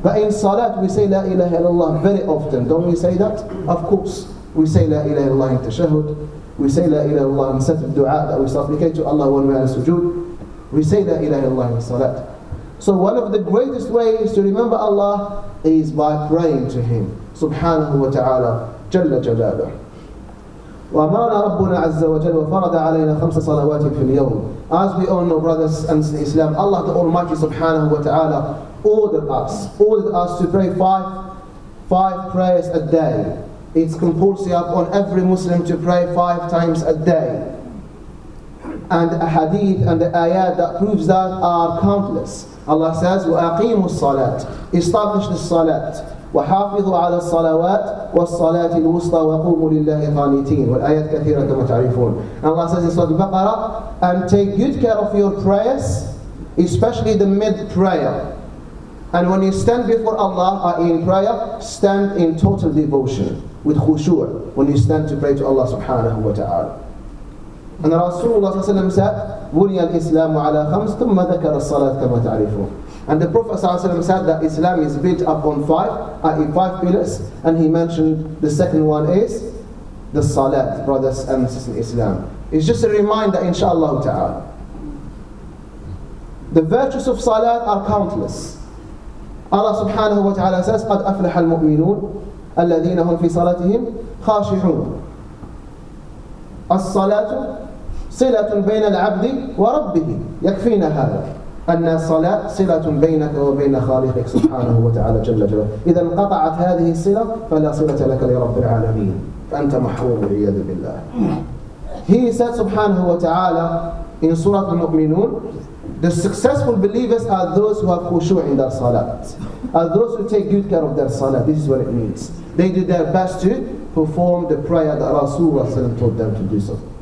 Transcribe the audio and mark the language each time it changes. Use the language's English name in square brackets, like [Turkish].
[English] But in Salat, we say La ilaha illallah very often. Don't we say that? Of course. We say La ilaha illallah in Tashahud. We say La ilaha illallah in Satr Dua that we supplicate to Allah when we are in Sujood. We say La ilaha illallah in Salat. So one of the greatest ways to remember Allah is by praying to Him. Subhanahu wa ta'ala. Jalla jalala. [Arabic] وأمرنا ربنا عز وجل وفرض علينا خمس صلوات في اليوم. [English] As we all know, brothers and Islam, Allah the Almighty [Arabic] سبحانه وتعالى [English] ordered us to pray five prayers a day. It's compulsory upon every Muslim to pray five times a day. And the hadith and the ayat that proves that are countless. Allah says, [Arabic] وأقيموا الصلاة. [English] Establish the صلاة. [Arabic] وحافظوا على الصلوات والصلاة الوسطى وقوموا لله قانتين والآيات كثيرة كما تعرفون. [English] Allah says in Surah Al-Baqarah, and take good care of your prayers, especially the mid prayer. And when you stand before Allah in prayer, stand in total devotion with khushu' when you stand to pray to Allah subhanahu wa ta'ala. [Arabic] And Rasulullah صلى الله عليه وسلم [English] said, [Arabic] بني الإسلام على خمس ثم ذكر الصلاة كما تعرفون. [English] And the Prophet ﷺ said that Islam is built upon five pillars, and he mentioned the second one is the Salat, brothers and sisters in Islam. It's just a reminder, inshallah ta'ala. The virtues of Salat are countless. Allah subhanahu wa ta'ala says, [Arabic] قَدْ أَفْلَحَ الْمُؤْمِنُونَ الَّذِينَ هُمْ فِي صَلَاتِهِمْ خَاشِحُونَ الصَّلَاةُ صِلَةٌ بَيْنَ الْعَبْدِ وَرَبِّهِ يَكْفِينَ هَذَا أن الصلاة صلة بينك وبين خالقك سبحانه وتعالى جل جلاله. إذا انقطعت هذه الصلة فلا صلة لك لرب العالمين. فأنت محروم والعياذ بالله. [English] He said [Arabic] سبحانه وتعالى [English] in Surah Al-Mu'minun, the successful believers are those who have khushu in their salat. Are those who take good care of their salat. This is what it means. They do their best to perform the prayer that Rasulullah told them to do so.